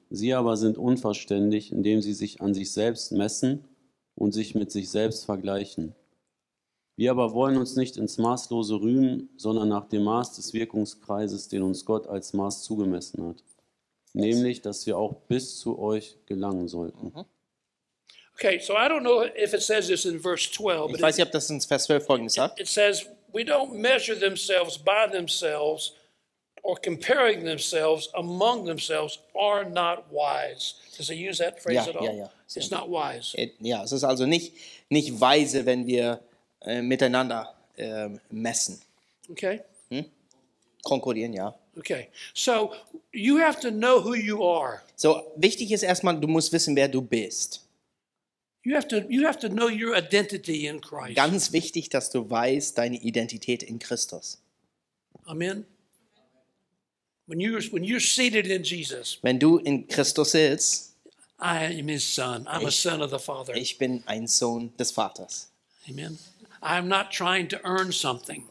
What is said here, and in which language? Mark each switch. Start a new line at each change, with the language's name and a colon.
German: Sie aber sind unverständig, indem sie sich an sich selbst messen und sich mit sich selbst vergleichen. Wir aber wollen uns nicht ins Maßlose rühmen, sondern nach dem Maß des Wirkungskreises, den uns Gott als Maß zugemessen hat. Nämlich, dass wir auch bis zu euch gelangen sollten.
English: Okay, so I don't know if it says this in verse 12.
German: Ich weiß nicht, ob das in Vers 12 folgendes sagt.
English: It says, we don't measure themselves by themselves or comparing themselves among themselves are not wise. Does it use that phrase
German: ja,
English: at all?
German: Ja, ja.
English: It's not wise.
German: Ja, es ist also nicht weise, wenn wir miteinander messen.
English: Okay.
German: Konkurrieren, ja.
English: Okay. So you have to know who you are.
German: So wichtig ist erstmal, du musst wissen, wer du bist.
English: You have to know your identity in Christ.
German: Ganz wichtig, dass du weißt deine Identität in Christus.
English: Amen. When you're seated in Jesus.
German: Wenn du in Christus sitzt.
English: I am his son. I'm a son of the Father.
German: Ich bin ein Sohn des Vaters.
English: Amen. I'm not trying to earn something.